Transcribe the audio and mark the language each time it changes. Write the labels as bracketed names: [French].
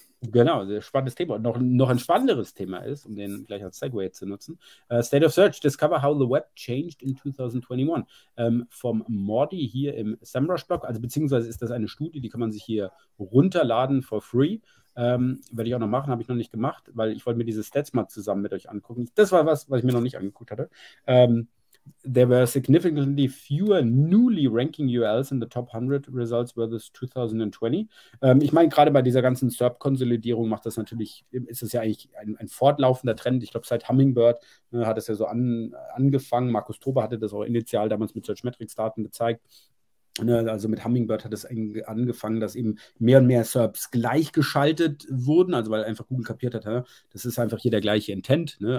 [German] Genau, sehr spannendes Thema. Und noch ein spannenderes Thema ist, um den gleich als Segway zu nutzen: State of Search, [English] Discover how the web changed in 2021. [German] Vom Morty hier im SEMrush-Blog, also beziehungsweise ist das eine Studie, die kann man sich hier runterladen [English] for free. [German] Werde ich auch noch machen, habe ich noch nicht gemacht, weil ich wollte mir diese Stats mal zusammen mit euch angucken. Das war was, was ich mir noch nicht angeguckt hatte. [English] There were significantly fewer newly ranking URLs in the top 100 results versus 2020. [German] Ich meine, gerade bei dieser ganzen SERP-Konsolidierung macht das natürlich, ist das ja eigentlich ein fortlaufender Trend. Ich glaube, seit Hummingbird, ne, hat es ja so angefangen. Markus Tober hatte das auch initial damals mit Search-Metrics-Daten gezeigt. Ne, also mit Hummingbird hat es angefangen, dass eben mehr und mehr SERPs gleichgeschaltet wurden, also weil einfach Google kapiert hat, ja, das ist einfach hier der gleiche Intent. Ne?